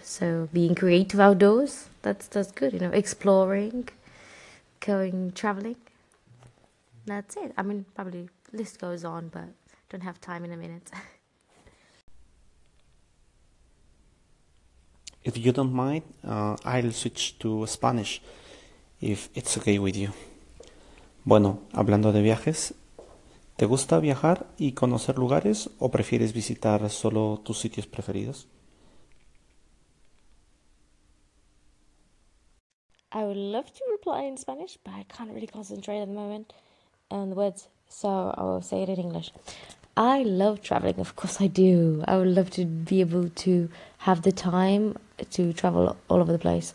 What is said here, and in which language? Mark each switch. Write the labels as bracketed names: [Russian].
[English] So being creative outdoors, that's good, you know, exploring, going traveling. That's it. I mean, probably list goes on, but don't have time in a minute. If you don't mind, I'll switch to Spanish if it's okay with you. [Spanish] Bueno, hablando de viajes, ¿te gusta viajar y conocer lugares o prefieres visitar solo tus sitios preferidos? [English] I would love to reply in Spanish, but I can't really concentrate at the moment on the words, so I will say it in English. I love traveling, of course I do. I would love to be able to have the time to travel all over the place.